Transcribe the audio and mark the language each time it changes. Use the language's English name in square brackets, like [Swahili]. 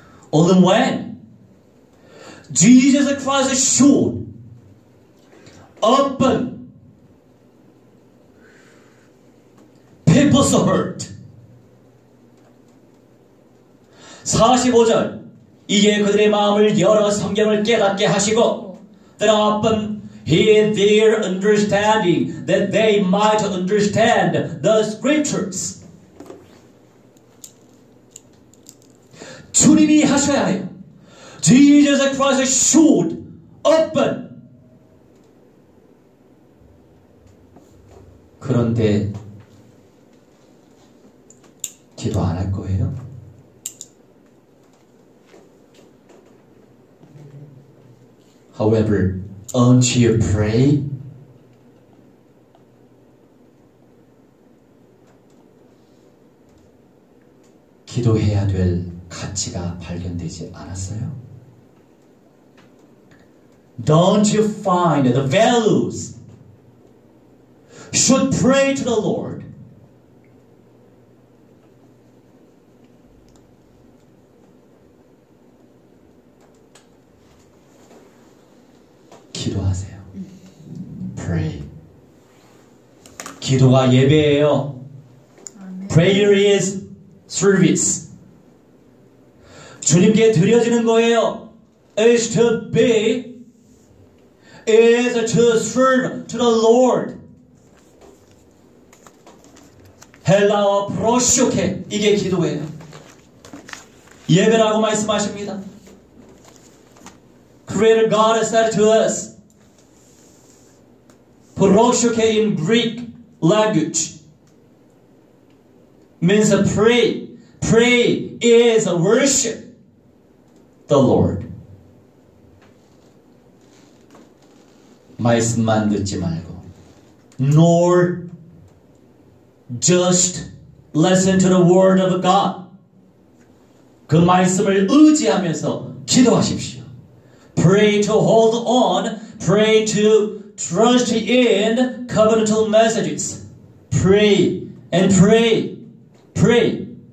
[English] Only when Jesus Christ should open people's heart. [Korean] 45절 이에 그들의 마음을 열어 성경을 깨닫게 하시고 [English] that open their understanding that they might understand the scriptures. [Korean] 주님이 하셔야 해요. [English] Jesus Christ should open. [Korean] 그런데 기도 안 할 거예요? [English] However, aren't you pray? [Korean] 기도해야 될 가치가 발견되지 않았어요? [English] Don't you find the values should pray to the Lord? [Korean] 기도하세요. Pray. 기도가 예배예요. [English] Prayer is service. [Korean] 주님께 드려지는 거예요. [English] Is to be, is to serve to the Lord. [Korean] 헬라어 프로슈케, 이게 기도예요. 예배라고 말씀하십니다. [English] Creator God said to us, Proshoke in Greek language means pray. Pray is worship the Lord. [Korean] 말씀만 듣지 말고 [English] nor just listen to the word of God. [Korean] 그 말씀을 의지하면서 기도하십시오. [English] Pray to hold on. Pray to trust in covenantal messages. Pray and pray. Pray.